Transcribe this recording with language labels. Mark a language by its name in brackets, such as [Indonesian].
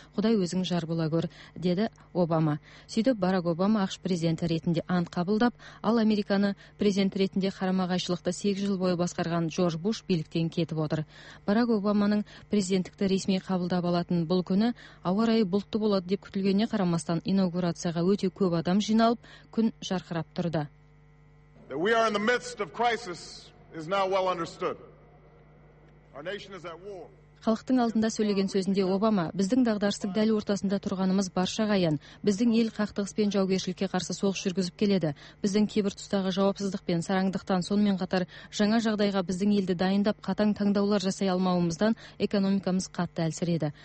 [Kazakh] Құдай өзің жар бола көр, деді Обама. Сөйтіп Барак Обама ақш президенті ретінде ант қабылдап, ал Американы президент ретінде қарама-қайшылықты 8 жыл бойы басқарған Джордж Буш биліктен кетіп отыр. Барак Обаманың президенттікті ресми қабылдап алатын бұл күні ауа райы бұлтты болады деп күтілгеніне қарамастан, инаугурацияға өте көп адам жиналып, күн жарқырап тұрды. [English] That we are in the midst of crisis is now well understood. Our nation is at war. [Kazakh] Халықтың алдында сөйлеген сөзінде Обама, біздің дағдарыстық дәл ортасында тұрғанымыз баршаға аян. Біздің ел қақтығыс пен жаугершілікке қарсы соғыс жүргізіп келеді. Біздің кейбір тұстағы жауапсыздық пен сараңдықтан сонымен қатар жаңа жағдайға біздің елді дайындап қатаң таңдаулар жасай алмауымыздан экономикамыз қатты әлсіреді.